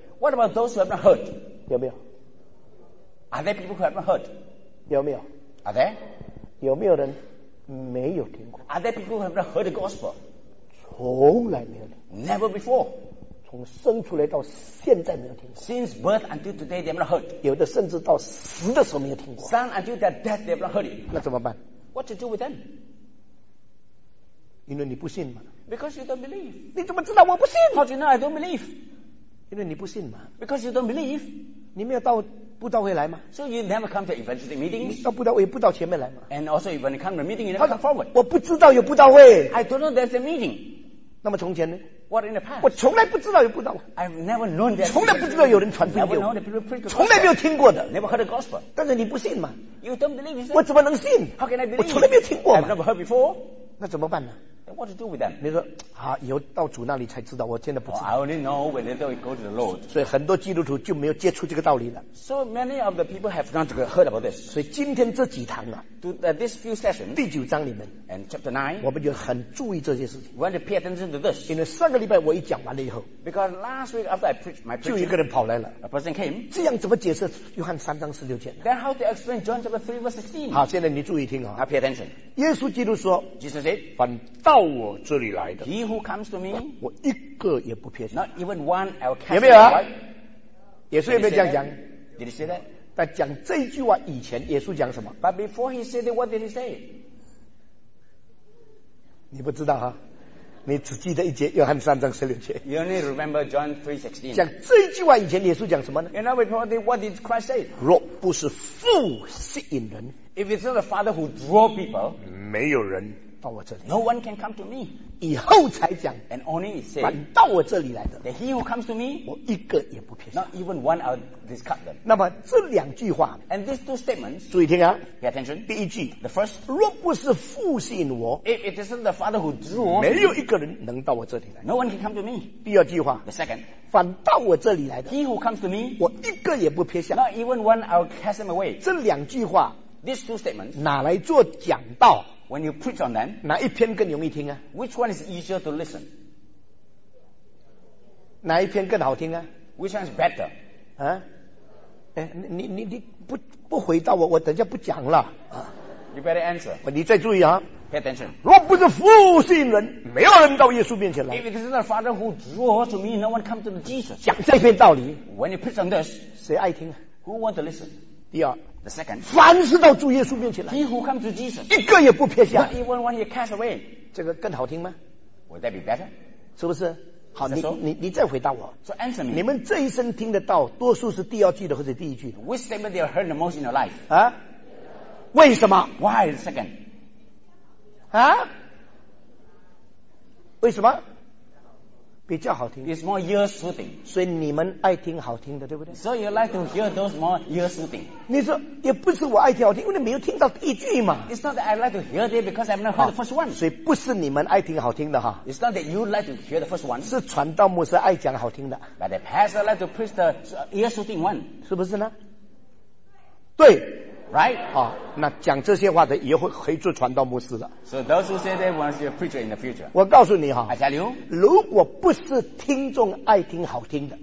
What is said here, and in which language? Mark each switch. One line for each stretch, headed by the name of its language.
English: What about those who have not heard?
Chinese: 有没有
English: Are there people who have not heard?
Chinese: 有没有
English: Are there?
Chinese: 有没有人没有听过
English: Are there people who have not heard the gospel?
Chinese: 从来没有
English: Never before
Chinese: 从生出来到现在没有听过
English: Since birth until today they have not heard
Chinese: 有的甚至到死的时候没有听过
English: Some until their death they have not heard it
Chinese: 那怎么办
English: What to do with them
Chinese: 因为你不信嘛
English: Because you don't believe
Chinese: 你怎么知道我不信
English: How do you know I don't believe
Chinese: 因为你不信嘛
English: Because you don't believe
Chinese: 你没有到布道会来吗
English: So you never come to evangelistic meetings
Chinese: 你到布道会不到前面来吗
English: And also when you come to meeting you never come forward
Chinese: 我不知道有布道会
English: I don't know there's a meeting
Chinese: 那么从前呢
English: What in the past?
Chinese: 我从来不知道有布道会
English: I've never known that
Chinese: 从来不知道有人传福音给我
English: Never know that people preach the gospel
Chinese: 从来没有听过的
English: Never heard the gospel
Chinese: 但是你不信嘛
English: You don't believe it
Chinese: 我怎么能信
English: How can I believe
Chinese: 我从来没有听过嘛
English: I've never heard before
Chinese: 那怎么办呢
English: Then what to do with them
Chinese: 你说好以后到主那里才知道我现在不知道、
English: oh, I only know when they don't go to the Lord
Chinese: 所以很多基督徒就没有接触这个道理了
English: So many of the people have not heard about this
Chinese: 所以今天这几堂啊
English: to, this few sessions
Chinese: 第九章里面
English: and chapter 9
Chinese: 我们就很注意这些事情
English: we want to pay attention to this
Chinese: 因为上个礼拜我一讲完了以后
English: because last week after I preached my preaching
Chinese: 就一个人跑来了
English: a person came
Chinese: 这样怎么解释约翰三章十六节
English: then how to explain John chapter 3 verse 16
Chinese: 好现在你注意听啊
English: now pay attention
Chinese: 耶稣基督说
English: Jesus said
Chinese: 凡到我这里来的
English: he who comes to me
Chinese: 我一个也不撇下
English: not even one I'll cast
Chinese: 有没有啊耶稣有没有这样讲
English: did he say that
Chinese: 但讲这句话以前耶稣讲什么
English: but before he said it what did he say
Chinese: 你不知道啊你只记得一节约翰三章十六节
English: you only remember John 3:16
Chinese: 讲这句话以前耶稣讲什么呢
English: you know before they, what did Christ say
Chinese: 若不是父吸引人
English: if it's not the father who draw people
Chinese: 没有人到我这里
English: no one can come to me
Chinese: 以后才讲
English: and only he said
Chinese: 反到我这里来的
English: that he who comes to me
Chinese: 我一个也不撇下
English: not even one I'll discard them
Chinese: 那么这两句话
English: and these two statements
Chinese: 注意听啊
English: pay attention
Chinese: 第一句
English: the first
Chinese: 若不是父吸引我
English: if it isn't the father who drew
Chinese: 没有一个人能到我这里来
English: no one can come to me
Chinese: 第二句话
English: the second
Chinese: 反到我这里来的
English: he who comes to me
Chinese: 我一个也不撇下
English: not even one I'll cast them away
Chinese: 这两句话
English: these two statements
Chinese: 哪来做讲道
English: When you preach on them,
Chinese: 哪一篇更容易听啊
English: ？Which one is easier to listen?
Chinese: 哪一篇更好听啊
English: ？Which one is better? 啊？
Chinese: 哎，你不回答我，我等下不讲了。
English: You better answer.
Chinese: 你再注意啊。
English: Pay attention.
Chinese: 若不是福信人，没有人到耶稣面前来。
English: If it is not Father who draw to me, no one come to Jesus.
Chinese: 讲这篇道理。
English: When you preach on this,
Chinese: 谁爱听啊
English: ？Who want to listen?
Chinese: 第二。
English: The second.
Chinese: 凡是到主耶稣面前来。
English: He who come to Jesus.
Chinese: 一个也不撇下。
English: Not even one he cast away.
Chinese: 这个更好听吗
English: ？Would that be better?
Chinese: 是不是？好、
English: so?
Chinese: 你再回答我
English: so answer me
Chinese: 你们这一生听得到多数是第二句的或者第一句的
English: which statement you heard the most in your life
Chinese: 啊为什么
English: why the second
Chinese: 啊为什么比较好听
English: it's more ear soothing
Chinese: 所以你们爱听好听的对不对
English: so you like to hear those more ear soothing
Chinese: 你说也不是我爱听好听因为你没有听到第一句嘛
English: it's not that I like to hear it because I've not heard the first one
Chinese: 所以不是你们爱听好听的哈
English: it's not that you like to hear the first one
Chinese: 是传道牧师爱讲好听的
English: but the pastor like to preach the ear soothing one
Chinese: 是不是呢对
English: right
Chinese: 好那讲这些话的以后可以做传道牧师的
English: So those who say they want to be a preacher in the future
Chinese: 我告诉你哈
English: I tell you
Chinese: 如果不是听众爱听好听的